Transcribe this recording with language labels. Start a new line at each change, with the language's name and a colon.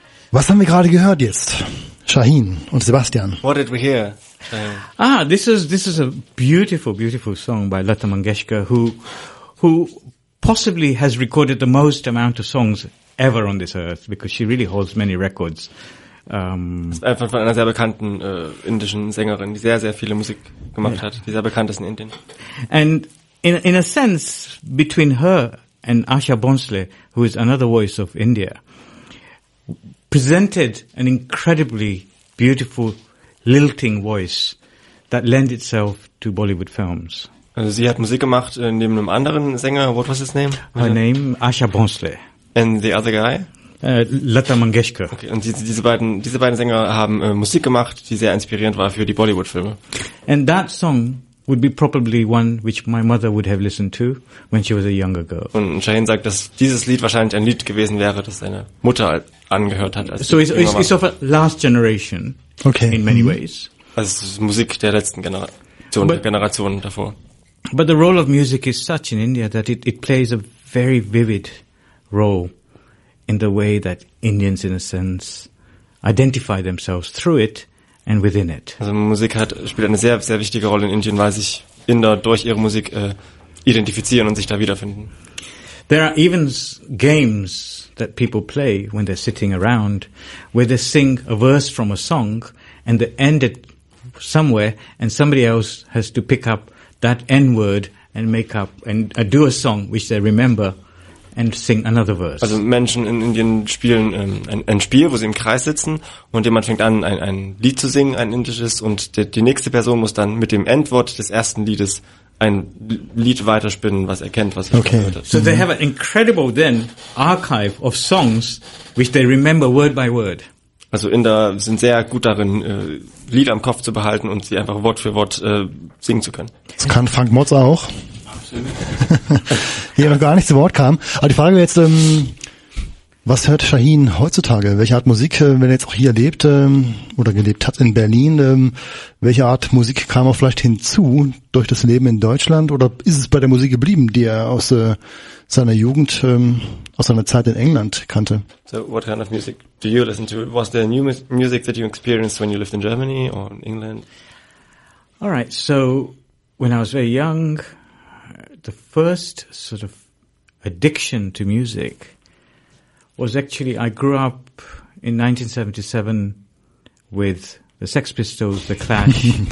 German: Was haben wir gerade gehört jetzt, Shaheen und Sebastian?
English: What did we hear? This is a beautiful, beautiful song by Lata Mangeshkar, who possibly has recorded the most amount of songs ever on this earth, because she really holds many records.
German: Ist einfach von einer sehr bekannten indischen Sängerin, die sehr, sehr viele Musik gemacht hat, die sehr bekannt ist in Indien.
English: And in a sense, between her and Asha Bhonsle, who is another voice of India, presented an incredibly beautiful lilting voice that lends itself to Bollywood films.
German: Also sie hat Musik gemacht neben einem anderen Sänger.
English: What was his name? Her name, Asha Bhonsle. And the other guy? Lata Mangeshkar.
German: Okay, und diese beiden Sänger haben Musik gemacht, die sehr inspirierend war für die Bollywood-Filme.
English: And that song would be probably one which my mother would have listened to when she was a younger girl.
German: Und Shaheen sagt, dass dieses Lied wahrscheinlich ein Lied gewesen wäre, das seine Mutter angehört hat.
English: It's of a last generation, okay, in many ways.
German: Also es ist Musik der letzten Generation, der Generationen davor.
English: But the role of music is such in India that it plays a very vivid role in the way that Indians, in a sense, identify themselves through it and within it.
German: Also Musik spielt eine sehr, sehr wichtige Rolle in Indien, weil sich Inder durch ihre Musik identifizieren und sich da wiederfinden.
English: There are even games that people play when they're sitting around, where they sing a verse from a song and they end it somewhere and somebody else has to pick up that N-word and make up and do a song which they remember and sing another verse.
German: Also Menschen in Indien spielen ein Spiel, wo sie im Kreis sitzen und jemand fängt an, ein Lied zu singen, ein indisches, und die nächste Person muss dann mit dem Endwort des ersten Liedes ein Lied weiterspinnen, was er kennt, was er okay gehört hat.
English: So they have an incredible then archive of songs which they remember word by word.
German: Also Inder sind sehr gut darin, Lieder im Kopf zu behalten und sie einfach Wort für Wort singen zu können. Das kann Frank Motz auch. Absolut. Hier noch gar nicht zu Wort kam. Aber die Frage jetzt, was hört Shaheen heutzutage? Welche Art Musik, wenn er jetzt auch hier lebt oder gelebt hat in Berlin, welche Art Musik kam auch vielleicht hinzu durch das Leben in Deutschland? Oder ist es bei der Musik geblieben, die er aus seiner Jugend, aus seiner Zeit in England kannte?
English: So what kind of music do you listen to? Was there new music that you experienced when you lived in Germany or in England? All right, so when I was very young, the first sort of addiction to music was actually, I grew up in 1977 with the Sex Pistols, the Clash,